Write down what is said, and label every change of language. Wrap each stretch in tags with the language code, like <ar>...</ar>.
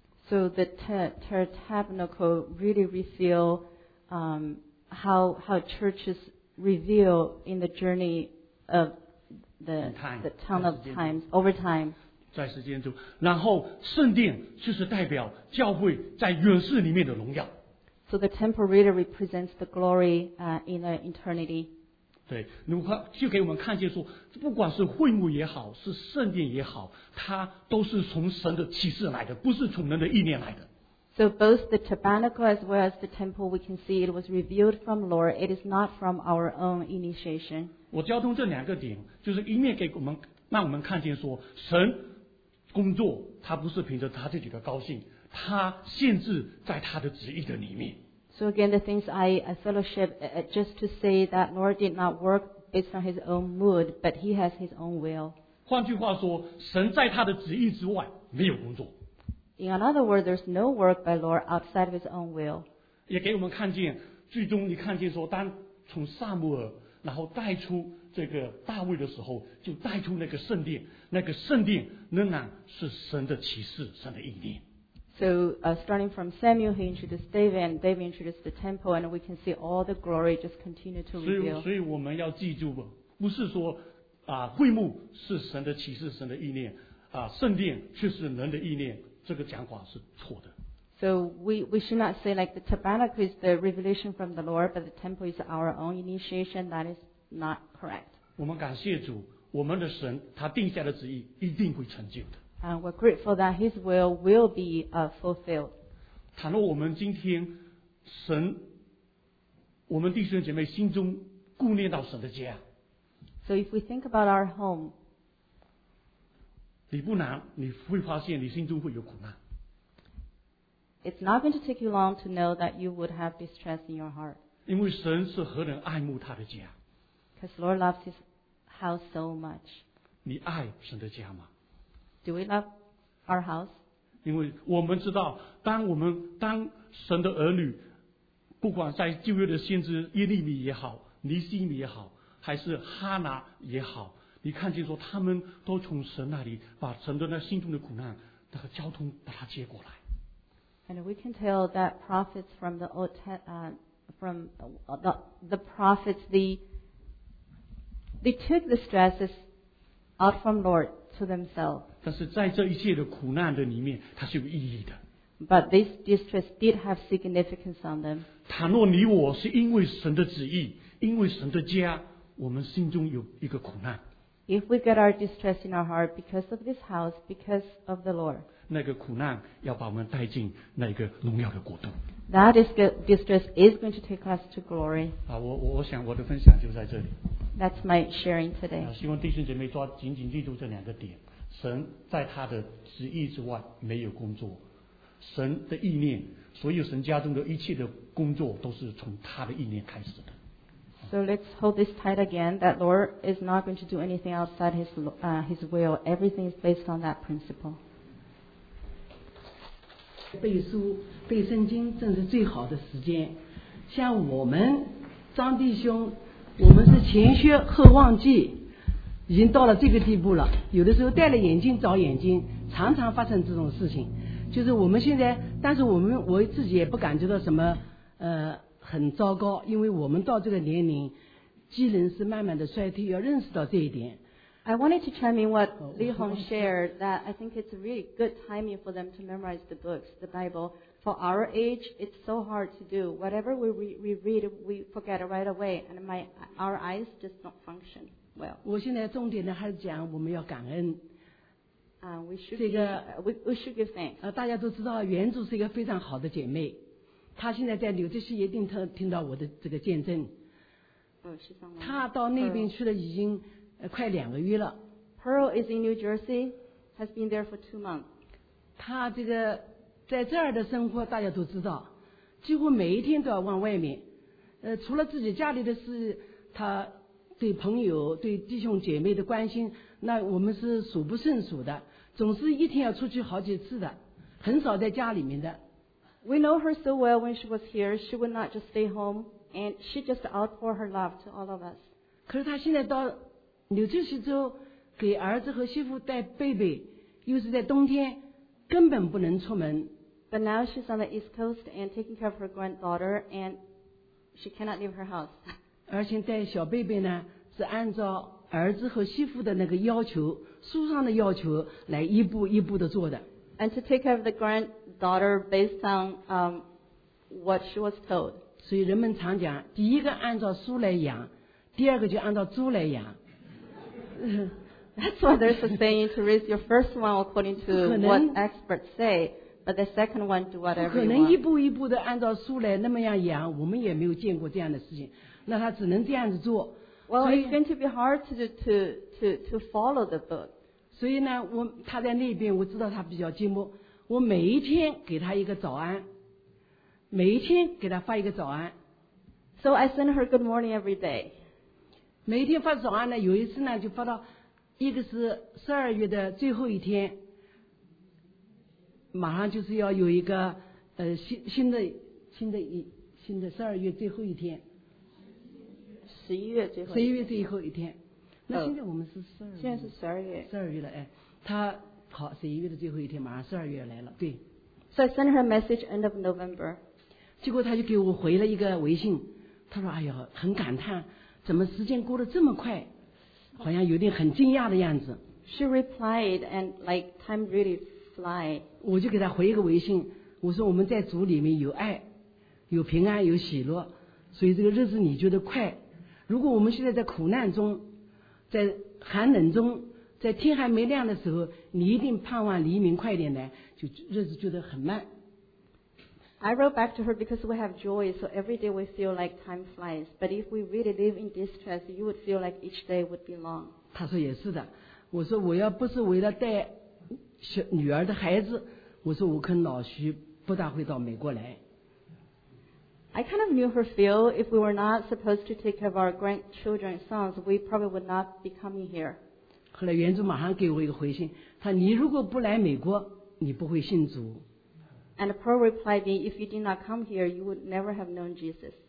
<en>So the tabernacle really reveal how churches reveal in the journey of the town of times over time.</en> <zh>在时间中，然后圣殿就是代表教会在远世里面的荣耀。</zh> <en>So the temple really represents the glory in the eternity.</en> <zh>对，你看，就给我们看见说，不管是会幕也好，是圣殿也好，它都是从神的启示来的，不是从人的意念来的。</zh> <en>So both the tabernacle as well as the temple, we can see it was revealed from the Lord. It is not from our own initiation.</en> <zh>我交通这两个点，就是一面给我们让我们看见说，神工作，他不是凭着他自己的高兴。他限制在他的旨意的里面。</zh> <en>So again, the things I fellowship just to say that Lord did not work based on his own mood, but he has his own will.</en> <zh>换句话说，神在他的旨意之外没有工作。</zh> <en>In another word, there's no work by Lord outside of his own will.</en> <zh>也给我们看见，最终你看见说，当从撒母耳然后带出这个大卫的时候，就带出那个圣殿，那个圣殿仍然是神的启示，神的意念。</zh> <en>So starting from Samuel, he introduced David, and David introduced the temple, and we can see all the glory just continue to reveal.</en> <zh>所以我们要记住，不是说会幕是神的启示、神的意念，圣殿却是人的意念，这个讲法是错的。</zh> <en>So we should not say like the tabernacle is the revelation from the Lord, but the temple is our own initiation. That is not correct.</en> <zh>我们感谢主，我们的神他定下的旨意一定会成就的。</zh> <en>And we're grateful that His will be fulfilled.</en> <zh>倘若我们今天神，我们弟兄姐妹心中顾念到神的家。</zh> <en>So if we think about our home,</en> <zh>你不难，你会发现你心中会有苦难。</zh> <en>It's not going to take you long to know that you would have distress in your heart.</en> <zh>因为神是何等爱慕他的家。</zh> <en>Because Lord loves His house so much.</en> <zh>你爱神的家吗？</zh> <en>Do we love our house?</en> <zh>因为我们知道，当神的儿女，不管在旧约的先知耶利米也好，尼西米也好，还是哈拿也好，你看见说他们都从神那里把神的那心中的苦难那个交通把它接过来。</zh> <en>And we can tell that prophets from the old prophets took the stresses out from Lord. To themselves.</en> <zh>但是在这一切的苦难的里面，它是有意义的。</zh> <en>But this distress did have significance on them.</en> <zh>倘若你我是因为神的旨意，因为神的家，我们心中有一个苦难。</zh> <en>If we get our distress in our heart because of this house, because of the Lord,</en> <zh>那个苦难要把我们带进那个荣耀的国度。</zh> <en>That is the distress is going to take us to glory.</en> <zh>啊，我想我的分享就在这里。</zh> <en>That's my sharing today.</en> <zh>希望弟兄姐妹抓紧紧记住这两个点：神在他的旨意之外没有工作，神的意念，所有神家中的一切的工作都是从他的意念开始的。</zh> <en>So let's hold this tight again that Lord is not going to do anything outside his will. Everything is based on that principle.</en> <zh>背书背圣经正是最好的时间。像我们张弟兄，我们是前靴后忘记，已经到了这个地步了。有的时候戴了眼镜找眼镜，常常发生这种事情。就是我们现在，但是我自己也不感觉到什么很糟糕，因为我们到这个年龄，机能是慢慢的衰退，要认识到这一点。</zh> <en>I wanted to chime in what Li Hong shared that I think it's a really good timing for them to memorize the books, the Bible. For our age, it's so hard to do. Whatever we read, we forget it right away, and our eyes just don't function well.</en> <zh>我现在重点的还是讲我们要感恩。</zh> <en>We should give thanks.</en> <zh>大家都知道，原主是一个非常好的姐妹。他现在在纽泽西一定听到我的这个见证。他到那边去了已经快两个月了。</zh> <en>Pearl is in New Jersey, has been there for 2 months.</en> <zh>他这个在这儿的生活大家都知道，几乎每一天都要往外面。除了自己家里的事，他对朋友、对弟兄姐妹的关心，那我们是数不胜数的，总是一天要出去好几次的，很少在家里面的。</zh> <en>We know her so well when she was here, she would not just stay home, and she just outpour her love to all of us.</en> <zh>可是她现在到纽约西州给儿子和媳妇带贝贝，又是在冬天，根本不能出门。</zh> <en>But now she's on the East Coast and taking care of her granddaughter, and she cannot leave her house.</en> <zh>而且带小贝贝呢，是按照儿子和媳妇的那个要求，书上的要求来一步一步的做的。</zh> <en>And to take care of the granddaughter based on what she was told.</en> <zh>所以人们常讲，第一个按照猪来养，第二个就按照猪来养。</zh> <en>That's why there's a saying to raise your first one according to what experts say, but the second one do whatever.</en> <zh>可能一步一步的按照猪来那么样养，我们也没有见过这样的事情，那他只能这样子做。</zh> <en>Well, it's going to be hard to follow the book.</en> <zh>所以呢，他在那边，我知道他比较寂寞。我每一天给他一个早安，每一天给他发一个早安。</zh> <en>So I send her good morning every day.</en> <zh>每一天发早安呢，有一次呢，就发到一个是12月的最后一天，马上就是要有一个新的十二月最后一天。十一月最后一天，那现在我们是十二月了，哎，他好，十一月的最后一天，马上十二月来了，对。</zh> <en>So I sent her a message end of November.</en> <zh>结果他就给我回了一个微信，他说：“哎呀，很感叹，怎么时间过得这么快，好像有点很惊讶的样子。”</zh> <en>She replied and like time really fly.</en> <zh>我就给他回一个微信，我说：“我们在主里面有爱，有平安，有喜乐，所以这个日子你觉得快。” 如果我们现在在苦难中，在寒冷中，在天还没亮的时候，你一定盼望黎明快点来，就日子觉得很慢。</zh> <en>I wrote back to her because we have joy, so every day we feel like time flies. But if we really live in distress, you would feel like each day would be long.</en> <zh>她说也是的。我说我要不是为了带小女儿的孩子，我说我可能老徐不大会到美国来。</zh> <en>I kind of knew her feel. If we were not supposed to take care of our grandchildren's sons, we probably would not be coming here.</en> <zh>后来原主马上给我一个回信，他你如果不来美国，你不会信主。</zh> <en>And Pearl replied me, if you did not come here, you would never have known Jesus.</en>